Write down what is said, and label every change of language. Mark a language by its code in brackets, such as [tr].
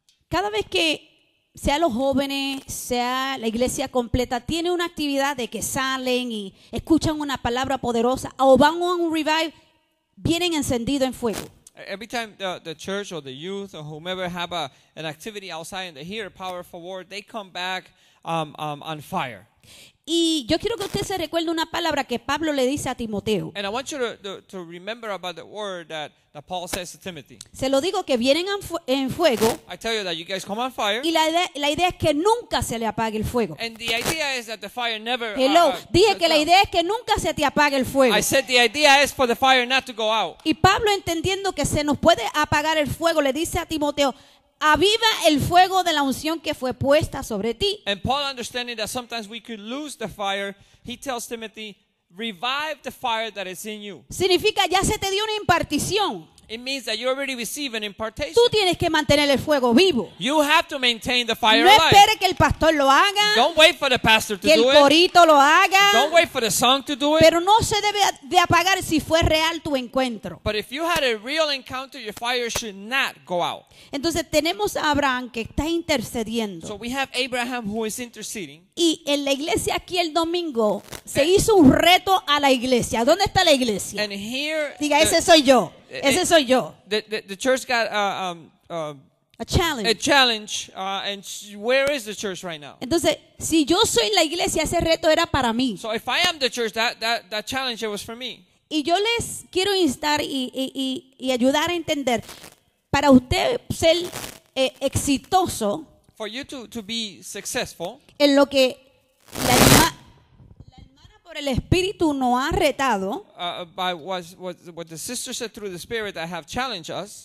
[es] Cada vez que sea los jóvenes, sea la iglesia completa, tiene una actividad de que salen y escuchan una palabra poderosa o van a un revive, vienen encendidos en fuego. [en] Every time the church or the youth or whomever have an activity outside and they hear a powerful word, they come back on fire. [es] Y yo quiero que usted se recuerde una palabra que Pablo le dice a Timoteo. [en] And I want you to remember about the word that Paul says to Timothy. [es] Se lo digo que vienen en fuego. [en] I tell you that you guys come on fire. [es] Y la idea es que nunca se le apague el fuego. [en] And the idea is that the fire never. Hello. [es] Dije que la idea es que nunca se te apague el fuego. [en] I said the idea is for the fire not to go out. [es] Y Pablo entendiendo que se nos puede apagar el fuego le dice a Timoteo. Aviva el fuego de la unción que fue puesta sobre ti. [en] And Paul understanding that sometimes we could lose the fire, he tells Timothy, revive the fire that is in you. [es] Significa ya se te dio una impartición. [en] It means that you already receive an impartation. [es] Tú tienes que mantener el fuego vivo. [en] You have to maintain the fire [es] alive. No espere que el pastor lo haga. [en] Don't wait for the pastor to do it. [es] Que el corito lo haga. [en] Don't wait for the song to do it. [es] Pero no se debe de apagar si fue real tu encuentro. [en] But if you had a real encounter, your fire should not go out. [es] Entonces tenemos a Abraham que está intercediendo. [en] So we have Abraham who is interceding. [es] Y en la iglesia aquí el domingo se hizo un reto a la iglesia. ¿Dónde está la iglesia? [en] And here, [es] diga, ese soy yo. Ese soy yo. [en] The church got a challenge. And where is the church right now? [es] Entonces, si yo soy la iglesia, ese reto era para mí. [en] So if I am the church, that challenge it was for me. [es] Y yo les quiero instar y ayudar a entender para usted ser exitoso. [en] For you to be successful. [es] En lo que la hermana por el espíritu no ha retado. [en] By what the sister said through the spirit that have challenged us.